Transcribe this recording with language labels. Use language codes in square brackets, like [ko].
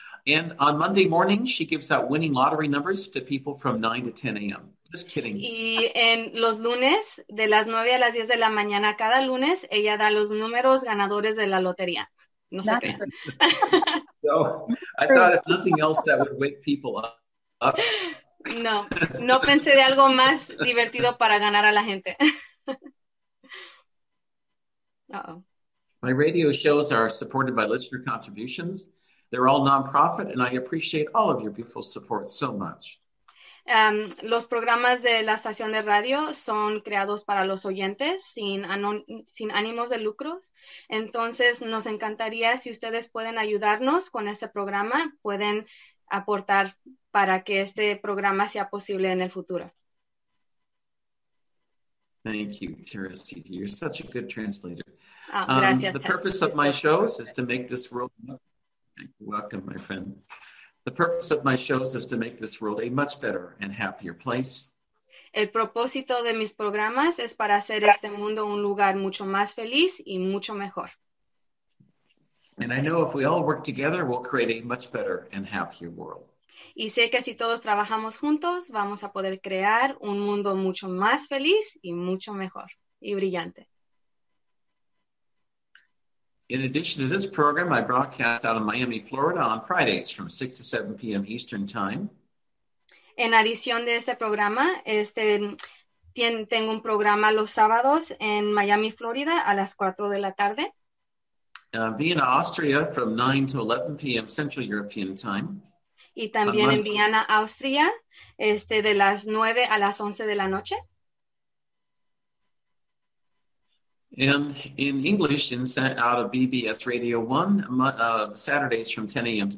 [en] And on Monday morning, she gives out winning lottery numbers to people from 9 to 10 a.m. Just kidding. [es] Y en los lunes, de las 9 a las 10 de la mañana, cada lunes, ella da los números ganadores de la lotería. No sé qué. [en] So, I thought if nothing else, that would wake people up. [es] No pensé de algo más divertido para ganar a la gente. Uh-oh. [en] My radio shows are supported by listener contributions. They're all nonprofit, and I appreciate all of your beautiful support so much. [es] Los programas de la estación de radio son creados para los oyentes sin ánimos de lucros. Entonces, nos encantaría si ustedes pueden ayudarnos con este programa. Pueden aportar para que este programa sea posible en el futuro. [en] Thank you, Teresita. You're such a good translator. [es] Gracias, [en] the purpose of my shows is to make this world... Welcome, my friend. The purpose of my shows is to make this world a much better and happier place. [es] El propósito de mis programas es para hacer este mundo un lugar mucho más feliz y mucho mejor. [en] And I know if we all work together, we'll create a much better and happier world. [es] Y sé que si todos trabajamos juntos, vamos a poder crear un mundo mucho más feliz y mucho mejor y brillante. [en] In addition to this program, I broadcast out of Miami, Florida on Fridays from 6 to 7 p.m. Eastern Time. [es] En adición de este programa, tengo un programa los sábados en Miami, Florida a las 4 de la tarde. [en] Vienna, Austria from 9 to 11 p.m. Central European Time. [es] Y también en Viena, Austria, de las 9 a las 11 de la noche. [en] And in English, out of BBS Radio 1, Saturdays from 10 a.m.